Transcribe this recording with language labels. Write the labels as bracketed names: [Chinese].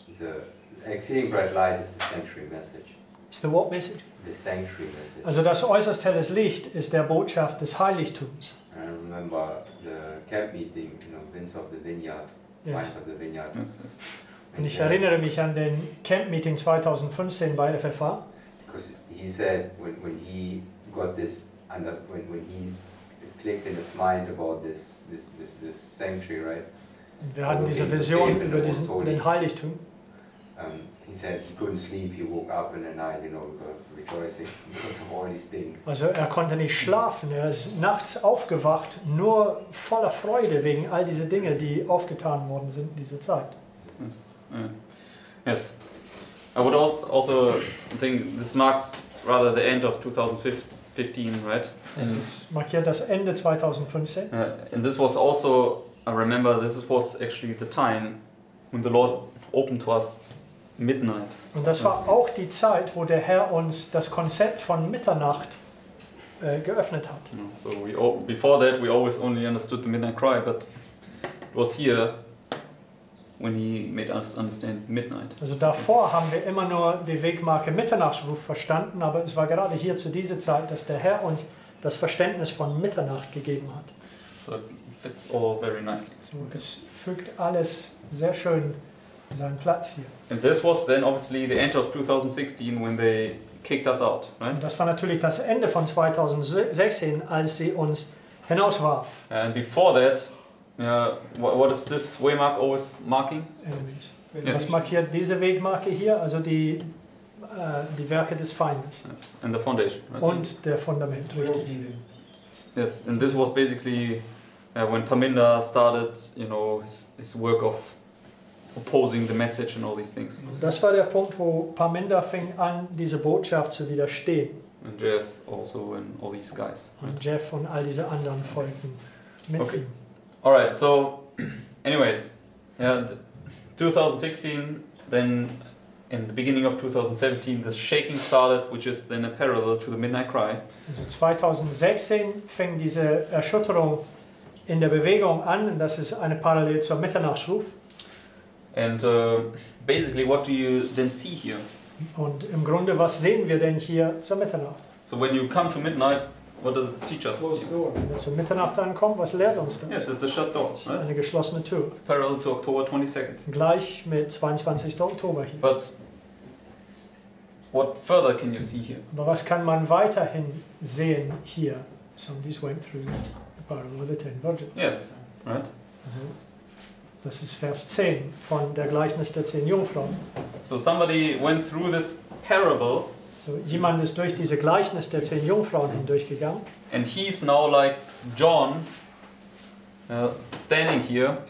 [English] The exceeding bright light is the sanctuary message. It's the what message? The sanctuary message. [German] Also das äußerst helles Licht ist der Botschaft des Heiligtums. [English] And I remember the camp meeting, you know, Vines of the Vineyard, Vines of the Vineyard. Yes, yes. [German] Und ich erinnere mich an den Camp Meeting 2015 bei FFA. [English] Because he said when he got this under when he clicked in his mind about this sanctuary, right? [German] Wir hatten diese Vision über diesen den Heiligtum. [English] He said he couldn't sleep. He woke up in the night, you know, rejoicing because of all these things. [German] Also er konnte nicht schlafen. Er ist nachts aufgewacht, nur voller Freude wegen all diese Dinge, die aufgetan worden sind in dieser Zeit. [English] Yes, I would also think this marks rather the end of 2015, right? And this [German] markiert das Ende 2015. [English] And this was also, I remember, this was actually the time when the Lord opened to us midnight. [German] Und das war auch die Zeit, wo der Herr uns das Konzept von Mitternacht geöffnet hat. [English] So before that we always only understood the midnight cry, but it was here when he made us understand midnight. [German] Also davor haben wir immer nur die Wegmarke Mitternachtsruf verstanden, aber es war gerade hier zu dieser Zeit, dass der Herr uns das Verständnis von Mitternacht gegeben hat. [English] So fits all very nicely. [German] So, es fügt alles sehr schön seinen Platz hier. [English] And this was then obviously the end of 2016 when they kicked us out, right? [German] Und das war natürlich das Ende von 2016, als sie uns hinauswarf. [English] And before that, yeah, what is this waymark always marking? [German] Enemies. Was markiert diese Wegmarke hier? Also die Werke des Feindes. [English] Yes. And the foundation. Right? [German] Und der Fundament, richtig. [English] Yes, and this was basically when Paminda started, you know, his work of opposing the message and all these things. [German] Das war der Punkt, wo Paminda fing an, diese Botschaft zu widerstehen. [English] And Jeff also and all these guys. Und right? [German] Jeff und all diese anderen folgten mit ihm. [English] All right. So, anyways, yeah, 2016. Then, in the beginning of 2017, the shaking started, which is then a parallel to the midnight cry. [German] Also 2016 fing diese Erschütterung in der Bewegung an, und das ist eine Parallel zur Mitternachtsruf. [English] And basically, what do you then see here? [German] Und im Grunde, was sehen wir denn hier zur Mitternacht? [English] So when you come to midnight, what does it teach us? [German] Wenn wir zur Mitternacht ankommen, was lehrt uns das? [English] Yes, it's a shut door, right? [German] Eine geschlossene Tür. [English] It's parallel to October 22nd. [German] Gleich mit 22. Oktober hier. [English] But what further can you see here? [German] Aber was kann man weiterhin sehen hier? [English] Somebody's went through the parallel of the ten virgins. Yes, right? [German] Also, das ist Vers 10 von der Gleichnis der 10 Jungfrauen. [English] So somebody went through this parable. [German] So, jemand ist durch diese Gleichnis der 10 Jungfrauen hindurchgegangen. [English] And he's now like John, standing here.